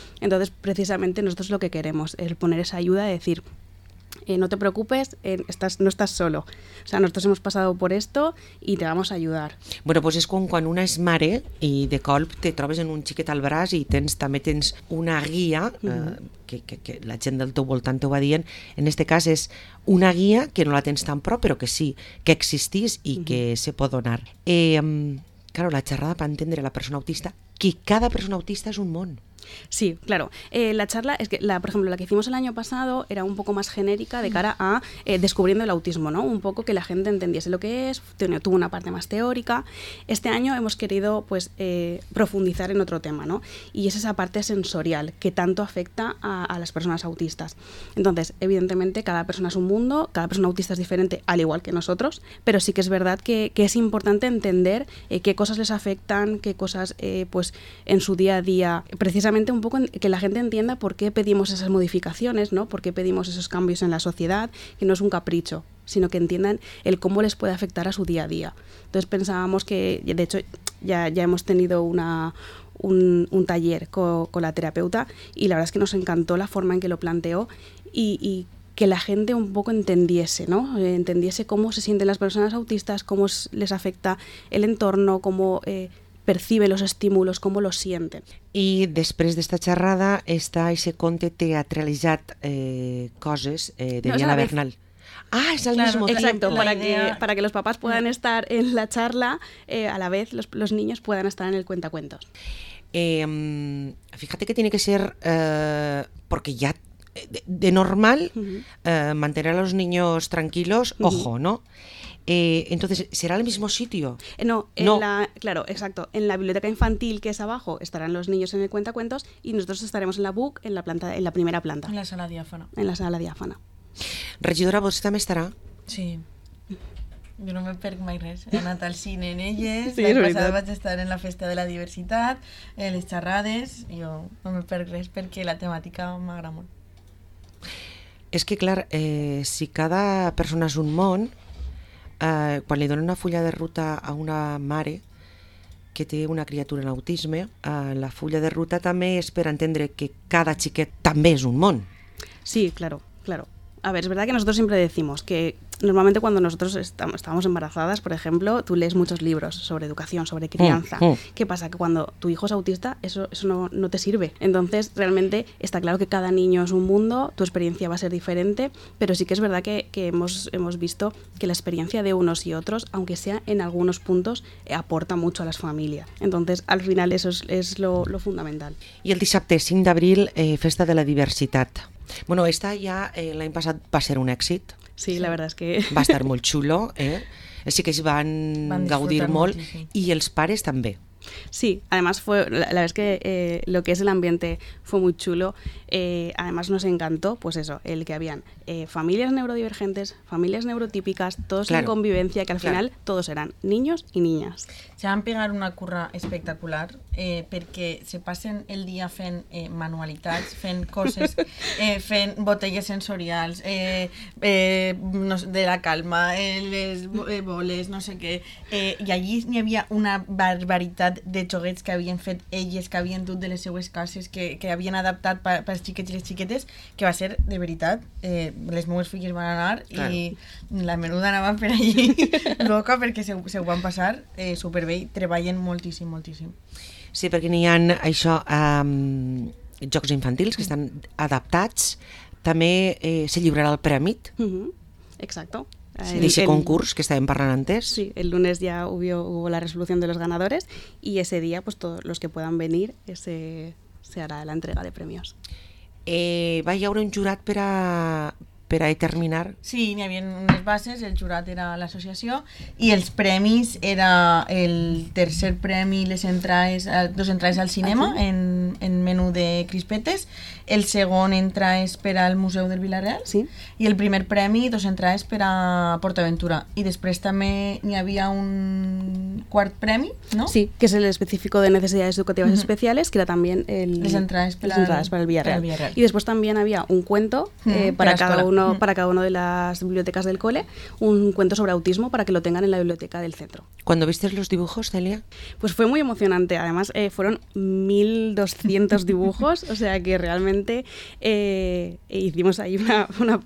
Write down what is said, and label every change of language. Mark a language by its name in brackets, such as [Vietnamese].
[Spanish] Entonces, precisamente nosotros lo que queremos es poner esa ayuda y decir, no te preocupes, no estás solo. O sea, nosotros hemos pasado por esto y te vamos a ayudar. Bueno, pues es como cuando una es [Catalan] mare y de colp te trobes en un chiquet al braç y tens una guía, que la gent del teu voltant te va dient. En este cas és una guía que no la tens tan prou, però que sí, que existís i que se pot donar. Claro, la xerrada per entendre la persona autista, que cada persona autista és un món. [Spanish] Sí, claro. La charla es que, por ejemplo, la que hicimos el año pasado era un poco más genérica de cara a descubriendo el autismo, ¿no? Un poco que la gente entendiese lo que es, tuvo una parte más teórica. Este año hemos querido pues profundizar en otro tema, ¿no? Y es esa parte sensorial que tanto afecta a las personas autistas. Entonces, evidentemente, cada persona es un mundo, cada persona autista es diferente, al igual que nosotros, pero sí que es verdad que es importante entender qué cosas les afectan, qué cosas pues en su día a día, precisamente un poco que la gente entienda por qué pedimos esas modificaciones, ¿no? Por qué pedimos esos cambios en la sociedad, que no es un capricho, sino que entiendan el cómo les puede afectar a su día a día. Entonces pensábamos que, de hecho, ya hemos tenido una, un taller con la terapeuta, y la verdad es que nos encantó la forma en que lo planteó y que la gente un poco entendiese, ¿no? Entendiese cómo se sienten las personas autistas, cómo les afecta el entorno, cómo percibe los estímulos, cómo los sienten. [Catalan] I després d'esta xerrada està aquest conte teatralitzat coses de Diana Bernal. [Spanish] Ah, es al claro, mismo exacto, tiempo. Exacto, para que los papás puedan estar en la charla, a la vez los niños puedan estar en el cuentacuentos. Fíjate que tiene que ser, porque ya de normal, mantener a los niños tranquilos, ojo, ¿no? Entonces, ¿será el mismo sitio? No, exacto. En la biblioteca infantil, que es abajo, estarán los niños en el cuentacuentos y nosotros estaremos en la BUC, en la primera planta. En la sala diáfana. En la sala diáfana. [Catalan] Regidora, vostè també estarà? Sí, jo no me perc mai res. He anat al cine en elles, sí, l'any passat vaig estar en la festa de la diversitat, en les xerrades, jo no me perc res perquè la temàtica m'agrada molt. És que, clar, si cada persona és un món, quan li donen una fulla de ruta a una mare que té una criatura en autisme, la fulla de ruta també és per entendre que cada xiquet també és un món. [Spanish] Sí, claro, claro. A ver, es verdad que nosotros siempre decimos que normalmente cuando nosotros estábamos embarazadas, por ejemplo, tú lees muchos libros sobre educación, sobre crianza. ¿Qué pasa? Que cuando tu hijo es autista, eso no te sirve. Entonces, realmente está claro que cada niño es un mundo, tu experiencia va a ser diferente, pero sí que es verdad que hemos visto que la experiencia de unos y otros, aunque sea en algunos puntos, aporta mucho a las familias. Entonces, al final eso es lo fundamental. [Catalan] Y el dissabte 5 de abril, Festa de la Diversitat. Bueno, esta ya l'any passat va ser un èxit. [Spanish] Sí, la verdad es que... [Catalan] Va estar molt xulo, eh? Sí que es van gaudir molt, i els pares també. [Spanish] Sí, además fue, la verdad es que lo que es el ambiente fue muy chulo, además nos encantó, pues eso, el que habían familias neurodivergentes, familias neurotípicas, todos claro, en convivencia, que al claro, final todos eran niños y niñas. Se van a pegar una curra espectacular, porque [Catalan] se pasen el día fen manualitats, fen cosas, fen botellas sensoriales, no sé, de la calma, les boles, no sé qué, y allí ni había una barbaridad de joguets que havien fet elles, que havien dut de les seues cases, que havien adaptat per als xiquets i les xiquetes, que va ser, de veritat, les meues filles van anar i la menuda anava per allí loca, perquè se ho van passar superbé i treballen moltíssim, moltíssim. Sí, perquè n'hi ha això, jocs infantils que estan adaptats, també se lliurarà el Premit. [Spanish] Exacto. Sí, dice concurso que estaba en parlantes. Sí, el lunes ya hubo la resolución de los ganadores y ese día, pues todos los que puedan venir, se hará la entrega de premios. [Catalan] ¿Va a haber un jurat per a determinar? Sí, n'hi havia unes bases, el jurat era l'associació i els premis era el tercer premi, les entraes, dos entraes al cinema en menú de crispetes, el segon entraes per al Museu del Vila-real, sí, i el primer premi dos entraes per a PortAventura. I després també n'hi havia un quart premi, no? Sí, que és el específico de necessitats educatives especials, que era també les entraes per al Vila-real. I després també hi havia un cuento per a cada escola. [Spanish] Uno, para cada una de las bibliotecas del cole, un cuento sobre autismo para que lo tengan en la biblioteca del centro. ¿Cuándo viste los dibujos, Celia? Pues fue muy emocionante. Además, fueron 1.200 dibujos, o sea que realmente hicimos ahí una...